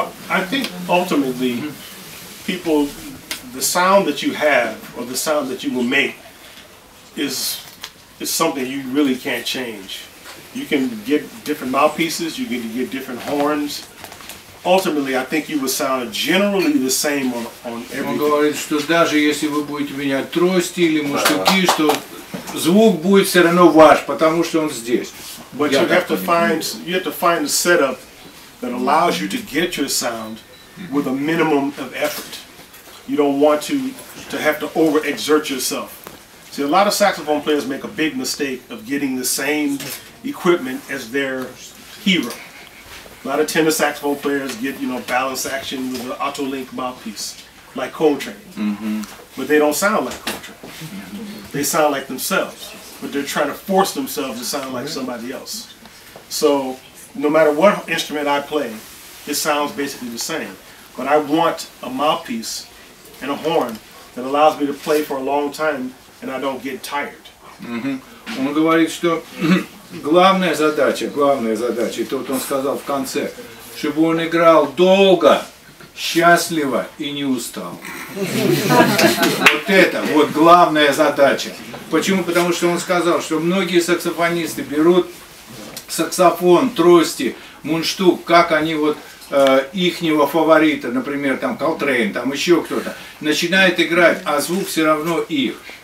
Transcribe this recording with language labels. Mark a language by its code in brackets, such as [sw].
[en] I think ultimately, people, the sound that you have or the sound that you will make is something you really can't change. You can get different mouthpieces, you can get different horns. Ultimately, I think you will sound generally the same on everything. [ru] Он говорит, что даже если вы будете менять трости или муштуки, что звук будет все равно ваш, потому что он здесь. [en] But you have to find a setup that allows you to get your sound with a minimum of effort. You don't want to have to overexert yourself. See, a lot of saxophone players make a big mistake of getting the same equipment as their hero. A lot of tenor saxophone players get, you know, balance action with an Autolink mouthpiece, like Coltrane. But they don't sound like Coltrane. They sound like themselves, but they're trying to force themselves to sound like somebody else. So, no matter what instrument I play, it sounds basically the same. But I want a mouthpiece and a horn that allows me to play for a long time and I don't get tired. [ru] Он говорит, что главная задача, и то, что он сказал в конце, чтобы он играл долго, счастливо и не устал. Вот это вот главная задача. Почему? Потому что он сказал, что многие саксофонисты берут саксофон, трости, мундштук, как они вот ихнего фаворита, например, там Колтрейн, там еще кто-то, начинает играть, а звук все равно их.